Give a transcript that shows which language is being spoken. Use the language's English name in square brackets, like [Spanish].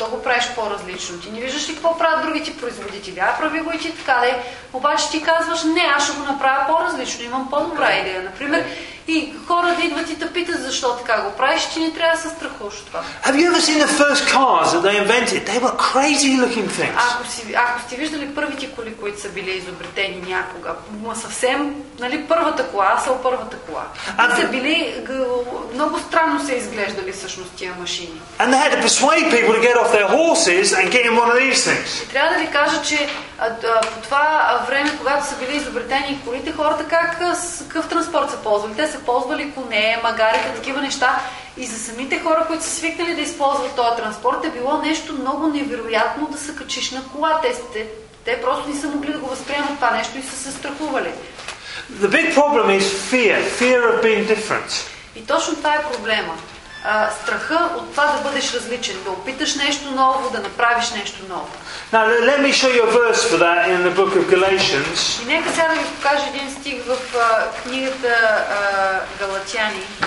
[Bulgarian] Защо го правиш по-различно? Ти не виждаш ли какво правят другите производители? А прави го и ти така, дай. Обаче ти казваш, не, аз ще го направя по-различно, имам по-добра идея. Например, и хора да идват и да питат защо така го правиш, ти не трябва да се страхуваш от това. [English] Have you ever seen the first cars that they invented? They were crazy looking things. [Bulgarian] Ако сте виждали първите коли, които са били изобретени някога, съвсем, нали, първата кола, първата кола. Те са били много странно се изглеждали всъщност тия машини. [English] And they had to persuade people to get off their horses and get in one of these things. [Bulgarian] Трябва да ви кажа, че по това време, когато са били изобретени колите, хората какъв транспорт са ползвали? Те са ползвали коне, магарите, такива неща. И за самите хора, които са свикнали да използват този транспорт, е било нещо много невероятно да се качиш на кола. Те просто не са могли да го възприемат това нещо и са се страхували. [English] The big problem is fear of being different. [Bulgarian] И точно това е проблема. Страха от това да бъдеш различен, да опиташ нещо ново, да направиш нещо ново. [English] Now let me show you a verse for that in the book of Galatians. [Bulgarian] И нека сега да ви покажа един стих в книгата Галатяни.